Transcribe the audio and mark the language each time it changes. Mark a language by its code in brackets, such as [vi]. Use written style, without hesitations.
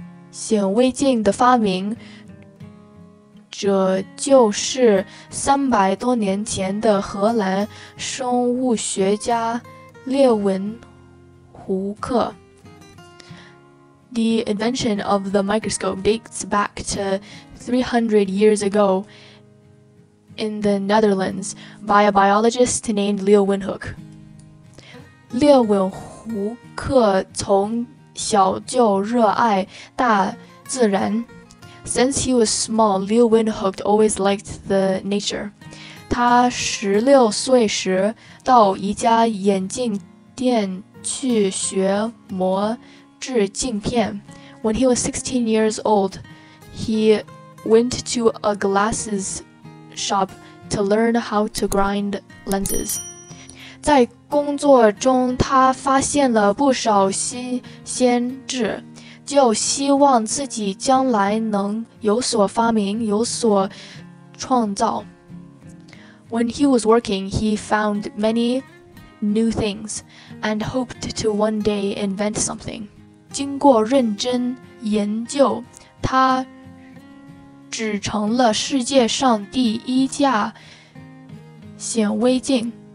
[zh] 显微镜的发明，这就是300多年前的荷兰生物学家列文胡克。 [en] The invention of the microscope dates back to 300 years ago in the Netherlands by a biologist named Leeuwen Hoek. [zh] Leeuwen Hoek 从小就热爱大自然。 [en] Since he was small, Leeuwen Hoek always liked the nature. [zh] 他16岁时到一家眼镜店去学磨制镜片。 [en] When he was 16 years old, he went to a glasses shop to learn how to grind lenses. [zh] 在工作中他发现了不少新鲜制就希望自己将来能有所发明有所创造。 [en] When he was working, he found many new things and hoped to one day invent something. [zh] 经过认真研究，他制成了世界上第一架显微镜。